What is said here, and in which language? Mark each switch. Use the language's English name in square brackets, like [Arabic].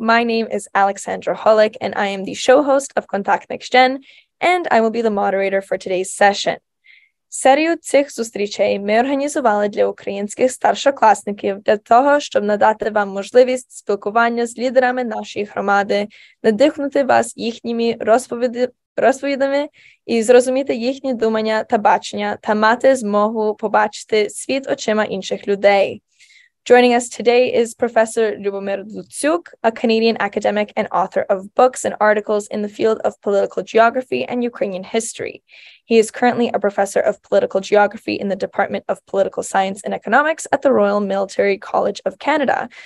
[English] My name is Alexandra Holick, and I am the show host of Kontakt Next Gen, and I will be the moderator for today's session. [Ukrainian] Серію цих зустрічей ми організували для українських старшокласників для того, щоб надати вам можливість спілкування з лідерами нашої громади, надихнути вас їхніми розповідами і зрозуміти їхні думання та бачення, та мати змогу побачити світ очима інших людей. [English] Joining us today is Professor Lubomyr Luciuk, a Canadian academic and author of books and articles in the field of political geography and Ukrainian history. He is currently a professor of political geography in the Department of Political Science and Economics at the Royal Military College of Canada.